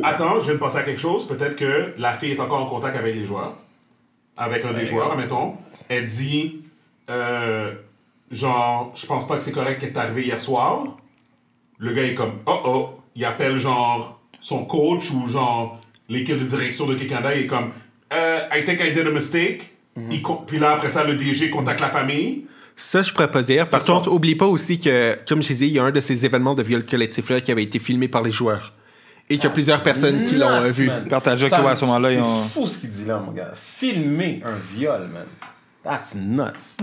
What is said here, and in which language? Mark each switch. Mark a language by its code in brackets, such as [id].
[fr] Attends, je vais me passer à quelque chose. Peut-être que la fille est encore en contact avec les joueurs. Avec un des joueurs, admettons. Elle dit, je pense pas que c'est correct qu'est-ce qui est arrivé hier soir. Le gars est comme, oh, il appelle genre son coach ou genre l'équipe de direction de Kikanda. Il est comme, [en] I think I did a mistake. [fr] Mm-hmm. Puis là, après ça, le DG contacte la famille. Ça, je pourrais pas dire. Par contre, oublie pas aussi que, comme je disais, il y a un de ces événements de viol collectif-là qui avait été filmé par les joueurs. Et qu'il y a plusieurs personnes qui l'ont vu. Partagé avec toi à ce moment-là. C'est fou ce qu'il dit là, mon gars. Filmer un viol, man. [en] That's nuts.